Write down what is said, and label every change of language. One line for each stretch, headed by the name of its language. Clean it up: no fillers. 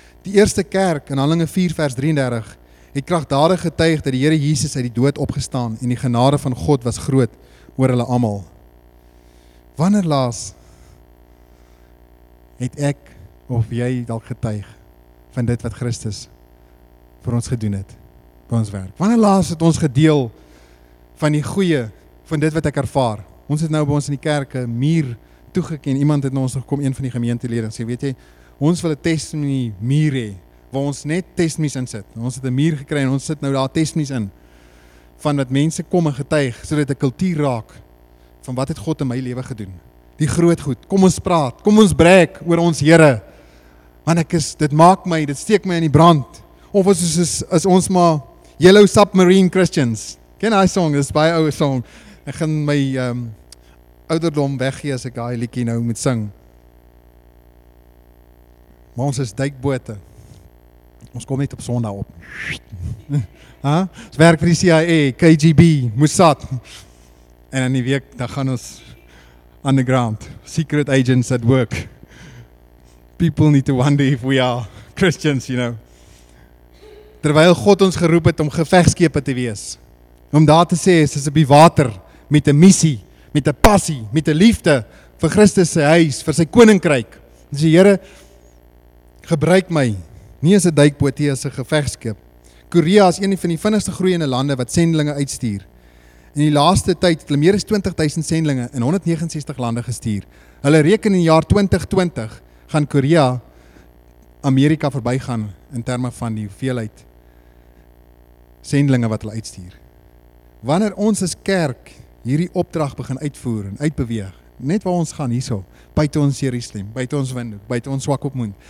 Afrikaans: Die eerste kerk in Handelinge 4 vers 33 het kragtdadig getuig dat die Here Jesus uit die dood opgestaan en die genade van God was groot oor hulle allemaal. Wanneer laas het ek of jy dalk getuig van dit wat Christus vir ons gedoen het, vir ons werk? Wanneer laas het ons gedeel van die goeie, van dit wat ek ervaar? Ons het nou by ons in die kerk een muur toegeken, iemand het na ons gekom, een van die gemeentelede, en sê, weet jy, ons wil een testimonie muur hê, waar ons net testimonies in sit. Ons het een muur gekry en ons sit nou daar testimonies in, van wat mense kom en getuig, so dat die kultuur raak, van wat het God in my lewe gedoen. Die groot goed, kom ons praat, kom ons breek oor ons Here, want ek is, dit maak my, dit steek my in die brand, of ons is ons maar Yellow Submarine Christians, ken die song, dit is baie ouwe song, ek gaan my ouderdom weggee as ek daai liedjie nou moet sing. Maar ons is duikbote. Ons kom net op Sondag op. Ha? Ons werk vir die CIA, KGB, Mossad. En in die week, dan gaan ons underground.
English: Secret agents at work. People need to wonder if we are Christians, you know.
Afrikaans: Terwyl God ons geroep het om gevegskepe te wees. Om daar te sê, is op die water met 'n missie, met 'n passie, met 'n liefde vir Christus se huis, vir sy koninkryk. Dis die Here gebruik my, nie as 'n duikboot nie, as 'n gevegskip. Korea is een van die vinnigste groeiende lande wat sendelinge uitstuur. In die laaste tyd het hulle meer as 20.000 sendelinge in 169 lande gestuur. Hulle reken in die jaar 2020 gaan Korea Amerika verbygaan in terme van die hoeveelheid sendelinge wat hulle uitstuur. Wanneer ons as kerk hierdie opdrag begin uitvoer en uitbeweeg, net waar ons gaan hierso, buite ons Jerusalem, buite ons windhoek, buite ons swak opmoend.